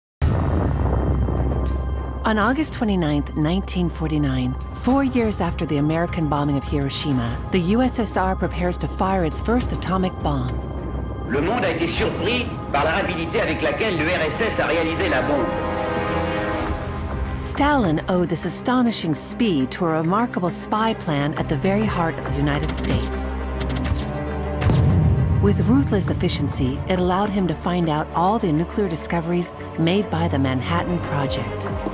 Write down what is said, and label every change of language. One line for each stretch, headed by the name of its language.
English: On August 29, 1949, 4 years after the American bombing of Hiroshima, the USSR prepares to fire its first atomic bomb.
French: Le monde a été surpris par la rapidité avec laquelle l'URSS a réalisé la bombe.
English: Stalin owed this astonishing speed to a remarkable spy plan at the very heart of the United States. With ruthless efficiency, it allowed him to find out all the nuclear discoveries made by the Manhattan Project.